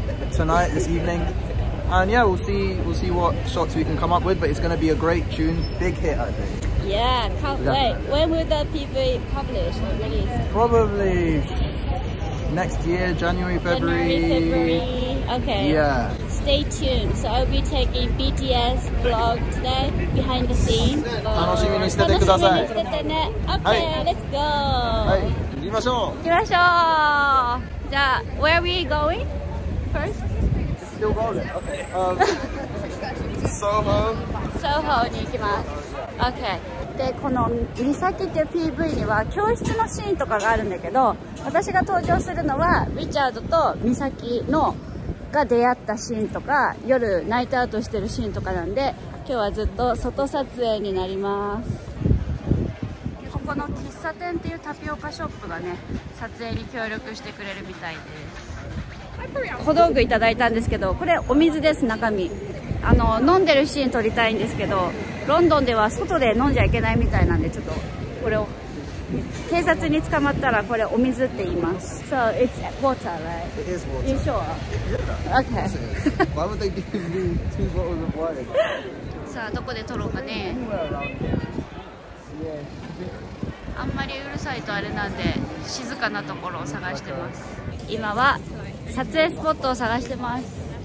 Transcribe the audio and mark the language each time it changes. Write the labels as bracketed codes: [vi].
[en] Tonight, this evening, and yeah, we'll see what shots we can come up with. But it's going to be a great tune, big hit, I think. Yeah, can't wait. When will the PV publish or release? Probably next year, January, February. Okay. Yeah. Stay tuned. So I'll be taking BTS vlog today behind the scenes. [ja] 楽しみにしててください。楽しみにしててね。 [en] Okay, let's go. [ja] はい、行きましょう。行きましょう。じゃあ、 [en] where are we going? First? Still rolling. Okay. [ja] Soho. Soho に行きます。Okay. で、このミサキっていう PV には教室のシーンとかがあるんだけど、私が登場するのはリチャードとミサキのが出会ったシーンとか、夜ナイトアウトしてるシーンとかなんで、今日はずっと外撮影になります。ここの喫茶店っていうタピオカショップがね、撮影に協力してくれるみたいです。小道具いただいたんですけど、これお水です。中身飲んでるシーン撮りたいんですけど、ロンドンでは外で飲んじゃいけないみたいなんで、ちょっとこれを警察に捕まったらこれお水って言います。 [en] So it's water, right? It is water. You sure? Yeah. Okay. Why would they give me two bottles of wine? [ja] さあどこで撮ろうかね。あんまりうるさいとあれなんで、静かなところを探してます。今は撮影スポットを探してます。